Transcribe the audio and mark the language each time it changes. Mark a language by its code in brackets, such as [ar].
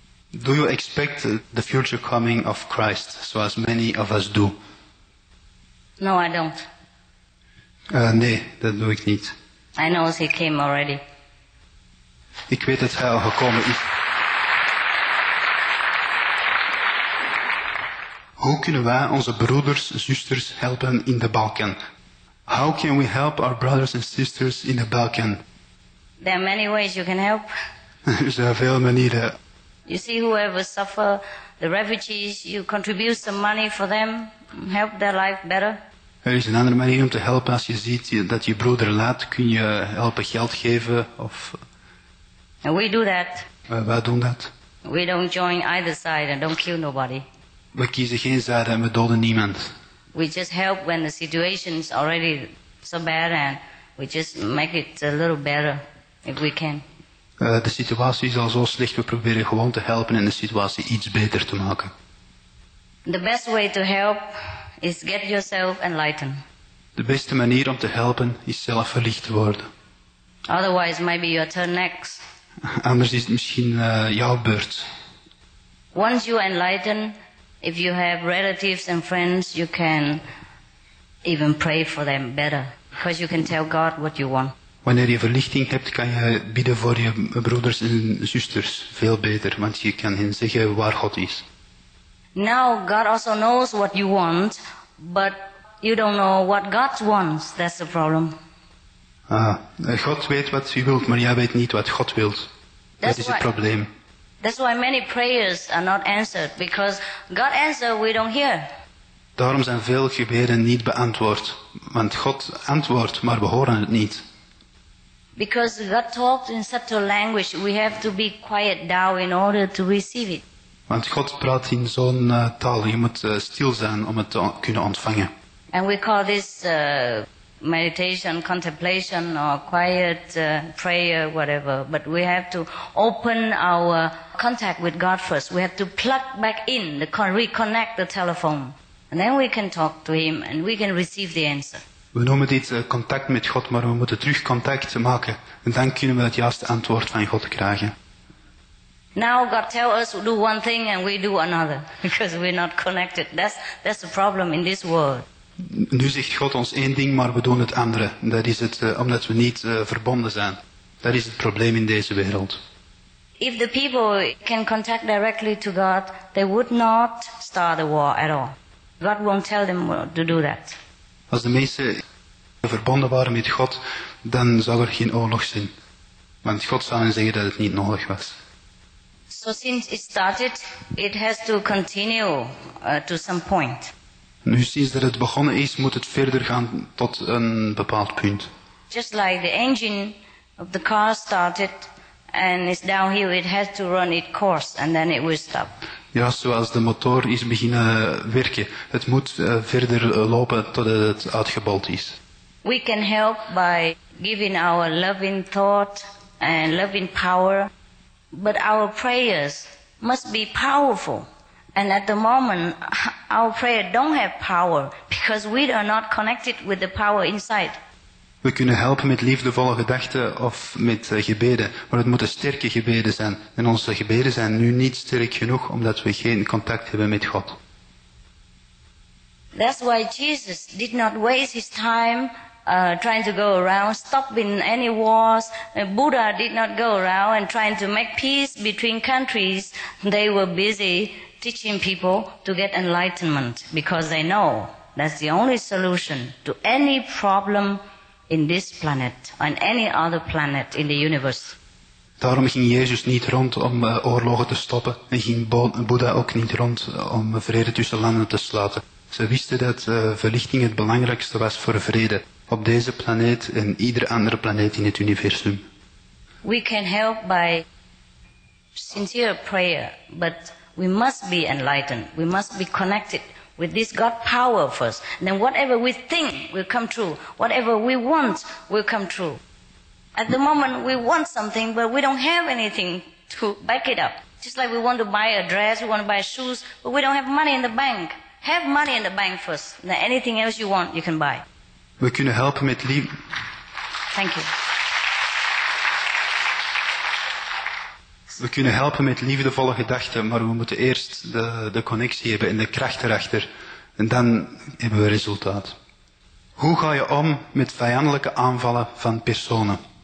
[en] Do you expect the future coming of Christ, [nl] zoals [en] many of us do? No, I don't. [nl] Nee, dat doe ik niet. [en] I know he came already. [nl] Ik weet dat hij al gekomen is. Hoe kunnen wij onze broeders en zusters helpen in de Balkan? [en] How can we help our brothers and sisters in the Balkan? There are many ways you can help. [nl] Er zijn veel manieren. [en] You see whoever suffer, the refugees, you contribute some money for them, help their life better. [nl] Er is een andere manier om te helpen. Als je ziet dat je broeder laat, kun je helpen geld geven of... [en] And we do that. [nl] Wij doen dat. [en] We don't join either side and don't kill nobody. [nl] We kiezen geen zijde en we doden niemand. [en] We just help when the situation is already so bad and we just make it a little better if we can. [nl] De situatie is al zo slecht, we proberen gewoon te helpen en de situatie iets beter te maken. [en] The best way to help is get yourself enlightened. [nl] De beste manier om te helpen is zelf verlicht te worden. [en] Otherwise maybe your turn next. [nl] Anders is het misschien jouw beurt. [en] Once you enlighten, if you have relatives and friends, you can even pray for them better. Because you can tell God what you want. [nl] Wanneer je verlichting hebt, kan je bidden voor je broeders en zusters veel beter. Want je kan hen zeggen waar God is. [en] Now God also knows what you want, but you don't know what God wants. That's the problem. [nl] God weet wat je wilt, maar jij weet niet wat God wil. Dat is het probleem. [en] That's why many prayers are not answered, because God answers, we don't hear. [nl] Daarom zijn veel gebeden niet beantwoord, want God antwoordt, maar we horen het niet. [en] Because God talks in subtle language, we have to be quiet down in order to receive it. [nl] Want God praat in zo'n taal, je moet stil zijn om het te kunnen ontvangen. [en] And we call this meditation, contemplation, or quiet prayer, whatever. But we have to open our contact with God first. We have to plug back in, reconnect the telephone. And then we can talk to him and we can receive the answer. [nl] We noemen dit contact met God, maar we moeten terug contact maken. En dan kunnen we het juiste antwoord van God krijgen. [en] Now God tells us to do one thing and we do another. Because we're not connected. That's the problem in this world. [nl] Nu zegt God ons één ding, maar we doen het andere. Dat is het, omdat we niet verbonden zijn. Dat is het probleem in deze wereld. [en] If the people can contact directly to God, they would not start a war at all. God won't tell them to do that. [nl] Als de mensen verbonden waren met God, dan zou er geen oorlog zijn. Want God zou hen zeggen dat het niet nodig was. [en] So since it started, it has to continue to some point. [nl] Nu sinds dat het begonnen is, moet het verder gaan tot een bepaald punt. [en] Just like the engine of the car started and it's downhill, it has to run its course and then it will stop. [nl] Ja, zoals de motor is beginnen werken. Het moet verder lopen totdat het uitgebold is. [en] We can help by giving our loving thought and loving power, but our prayers must be powerful. And at the moment, our prayer don't have power because we are not connected with the power inside. [nl] We kunnen helpen met liefdevolle gedachten of met gebeden, maar het moeten sterke gebeden zijn. En onze gebeden zijn nu niet sterk genoeg omdat we geen contact hebben met God. [en] That's why Jesus did not waste his time trying to go around stopping any wars. Buddha did not go around and trying to make peace between countries. They were busy teaching people to get enlightenment because they know that's the only solution to any problem in this planet and any other planet in the universe. [nl] Daarom ging Jezus niet rond om oorlogen te stoppen en ging Boeddha ook niet rond om vrede tussen landen te sluiten. Ze wisten dat verlichting het belangrijkste was voor vrede op deze planeet en iedere andere planeet in het universum. [en] We can help by sincere prayer, but we must be enlightened. We must be connected with this God power first. And then whatever we think will come true. Whatever we want will come true. At the moment we want something, but we don't have anything to back it up. Just like we want to buy a dress, we want to buy shoes, but we don't have money in the bank. Have money in the bank first. And then anything else you want, you can buy. [nl] We kunnen helpen met lief. [en] Thank you. [nl] We kunnen helpen met liefdevolle gedachten, maar we moeten eerst de connectie hebben en de kracht erachter. En dan hebben we resultaat. Hoe ga je om met vijandelijke aanvallen van personen?